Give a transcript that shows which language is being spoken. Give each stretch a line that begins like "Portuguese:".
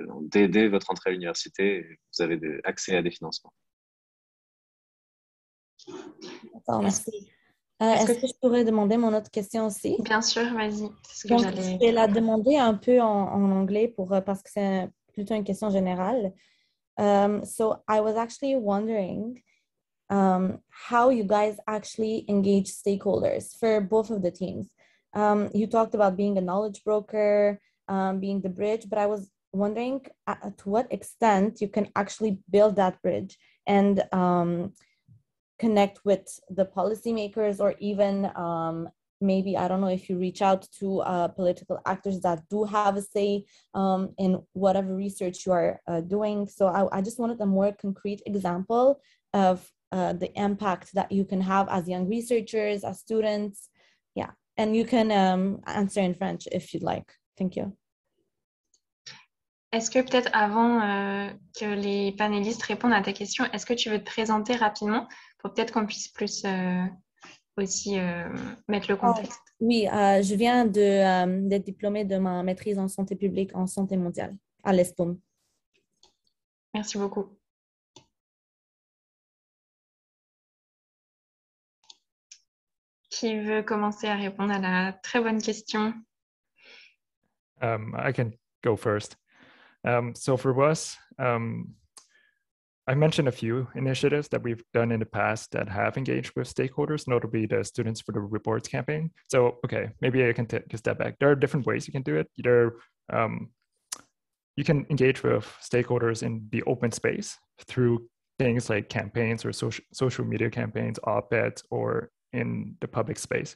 French: Dès votre entrée à l'université, vous avez accès à des financements. D'accord, merci. Est-ce que je pourrais demander mon autre question aussi? Bien sûr, vas-y. Je vais la demander un peu en anglais parce que c'est plutôt une question générale.
English: So I was actually wondering how you guys actually engage stakeholders for both of the teams. You talked about being a knowledge broker being the bridge, but I was wondering to what extent you can actually build that bridge and connect with the policymakers, or even maybe, I don't know, if you reach out to political actors that do have a say in whatever research you are doing. So I just wanted a more concrete example of the impact that you can have as young researchers, as students. Yeah, and you can answer in French if you'd like. Thank you.
French: Est-ce que peut-être avant que les panélistes répondent à ta question, est-ce que tu veux te présenter rapidement pour peut-être qu'on puisse plus aussi mettre le contexte? Oui, je viens d'être diplômée de ma maîtrise en santé publique, en santé mondiale à l'ESPOM. Merci beaucoup. Qui veut commencer à répondre à la très bonne question?
English: I can go first. So for us, I mentioned a few initiatives that we've done in the past that have engaged with stakeholders, notably the Students for the Reports campaign. So, okay, maybe I can take a step back. There are different ways you can do it. There, you can engage with stakeholders in the open space through things like campaigns or social media campaigns, op-eds, or in the public space.